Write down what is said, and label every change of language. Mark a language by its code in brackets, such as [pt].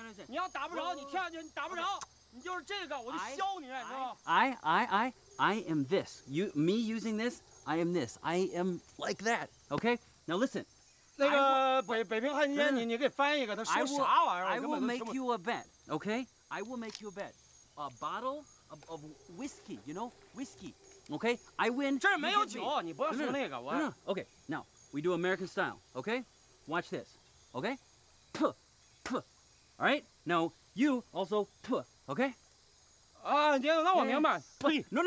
[zh] 你要打不着，你跳下去，你打不着，你就是这个，我就削你，你知道吗 [en] ？I am this. You, me using this. I am this. I am like that. Okay. Now listen. [zh] 那个北平汉奸，你给翻译一个，他说啥玩意儿 [en] ？I will make you a bet, okay? I will make you a bet, a bottle of whiskey, you know, whiskey, okay? I win. [zh] 这没有酒，你不要说那个，我。 [en] Okay, now we do American style, okay? Watch this, okay? Puh, all right? Now you also puh, okay? [zh] 啊，那我明白。呸